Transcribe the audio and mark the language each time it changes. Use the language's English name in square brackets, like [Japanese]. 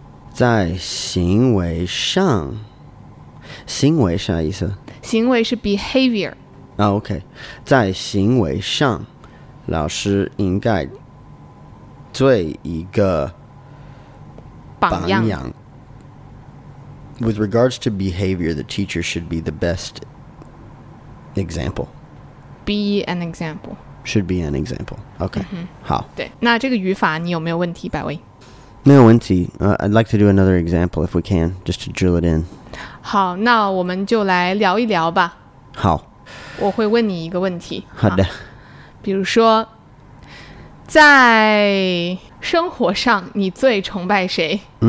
[Chinese] 在行为上，行为啥意思？行为是 behavior. [English] OK. [Chinese] 在行为上，老师应该做一个榜样。 [English] With regards to behavior, the teacher should be the best example. Be an example. Should be an example. Okay. Mm-hmm. [Chinese] 好。对，那这个语法你有没有问题，百威？没有问题。 [English] I'd like to do another example if we can, just to drill it in. [Chinese] 好，那我们就来聊一聊吧。好。我会问你一个问题。好的。比如说，在生活上，你最崇拜谁？